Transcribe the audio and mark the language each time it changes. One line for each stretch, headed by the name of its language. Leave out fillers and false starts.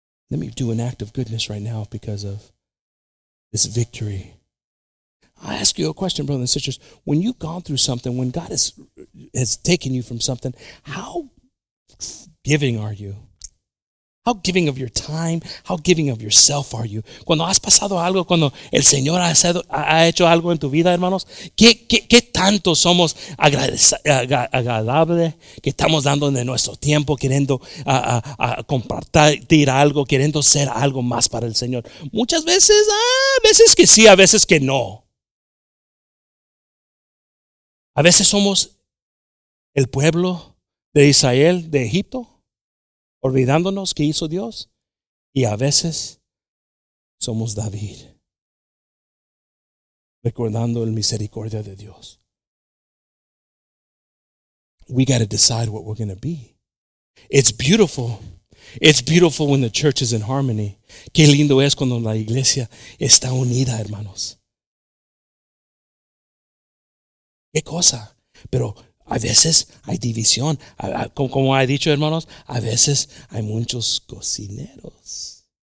English: Let me do an act of goodness right now because of this victory. I ask you a question, brothers and sisters. When you've gone through something, when God has taken you from something, how giving are you? How giving of your time? How giving of yourself are you?
Spanish: Cuando has pasado algo, cuando el Señor ha hecho algo en tu vida, hermanos, ¿qué tanto somos agradables? ¿Qué estamos dando de nuestro tiempo, queriendo compartir algo, queriendo ser algo más para el Señor? Muchas veces, a veces que sí, a veces que no. A veces somos el pueblo de Israel, de Egipto, olvidándonos que hizo Dios, y a veces somos David, recordando el misericordia de Dios.
English: We got to decide what we're going to be. It's beautiful. It's beautiful when the church is in harmony.
Spanish: Qué lindo es cuando la iglesia está unida, hermanos. Qué cosa. Pero a veces hay división. Como ha dicho, hermanos, a veces hay muchos cocineros.